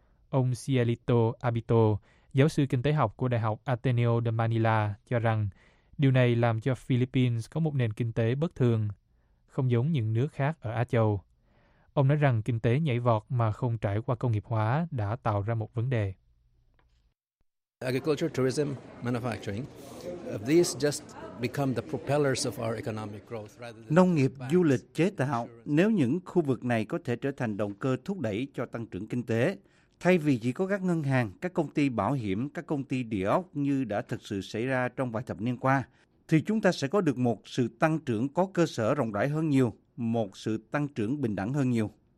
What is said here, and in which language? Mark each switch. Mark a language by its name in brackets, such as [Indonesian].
[Vietnamese] Ông Cielito Abito, giáo sư kinh tế học của Đại học Ateneo de Manila, cho rằng điều này làm cho Philippines có một nền kinh tế bất thường, không giống những nước khác ở Á Châu. Ông nói rằng kinh tế nhảy vọt mà không trải qua công nghiệp hóa đã tạo ra một vấn đề. [English] Agriculture, tourism, manufacturing, these just become the propellers of our economic growth. [Vietnamese] Nông nghiệp, du lịch, chế tạo, nếu những khu vực này có thể trở thành động cơ thúc đẩy cho tăng trưởng kinh tế, thay vì chỉ có các ngân hàng, các công ty bảo hiểm, các công ty địa ốc như đã thực sự xảy ra trong vài thập niên qua, thì chúng ta sẽ có được một sự tăng trưởng có cơ sở rộng rãi hơn nhiều, một sự tăng trưởng bình đẳng hơn nhiều.